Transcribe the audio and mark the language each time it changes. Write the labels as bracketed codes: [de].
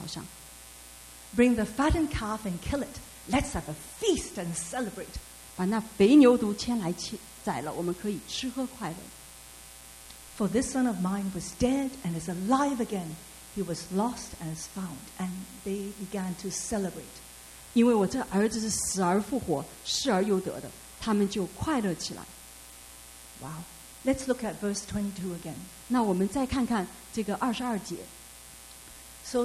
[zh] 父亲却吩咐仆人说，把那上好的袍子快拿出来给他穿，把戒指戴在他的头指头上，把鞋穿在他的脚上。 [en] Bring the fattened calf and kill it. Let's have a feast and celebrate. [zh] 把那肥牛犊牵来宰了，我们可以吃喝快乐。 [en] For this son of mine was dead and is alive again. He was lost and is found, and they began to celebrate. [zh] 因为我这儿子是死而复活，失而又得的，他们就快乐起来。 [en] Wow. Let's look at verse 22 again. [zh] 那我们再看看这个22节。 [en] So